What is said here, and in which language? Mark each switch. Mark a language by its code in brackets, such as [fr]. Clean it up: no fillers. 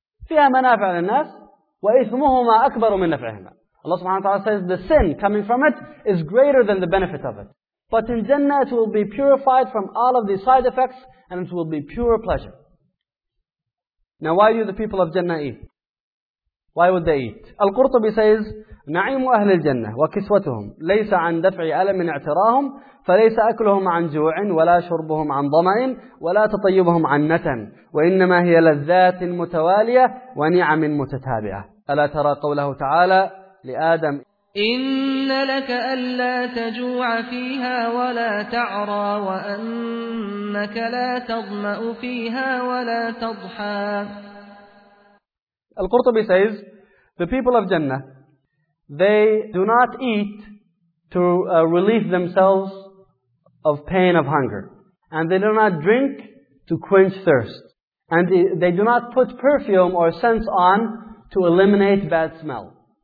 [ar] فِيهَا مَنَافِعَ لِلنَّاسِ وَإِثْمُهُمَا أَكْبَرُ مِنْ نَفْعِهِمَا. [en] Allah subhanahu wa ta'ala says the sin coming from it is greater than the benefit of it. But in Jannah it will be purified from all of these side effects and it will be pure pleasure. Now why do the people of Jannah eat? Why would they eat? Al-Qurtubi says, [ar] نعيم أهل الجنة وكسوتهم ليس عن دفع ألم اعتراهم فليس أكلهم عن جوع ولا شربهم عن ضمأ ولا تطيبهم عن نتن وإنما هي لذات متوالية ونعم متتابعة. ألا ترى قوله تعالى لآدم إن لك ألا تجوع فيها ولا تعرى وأنك لا تضمأ فيها ولا تضحى. [en] Al-Qurtubi says, the people of Jannah, they do not eat to relieve themselves of pain of hunger. And they do not drink to quench thirst. And they do not put perfume or scents on to eliminate bad smell.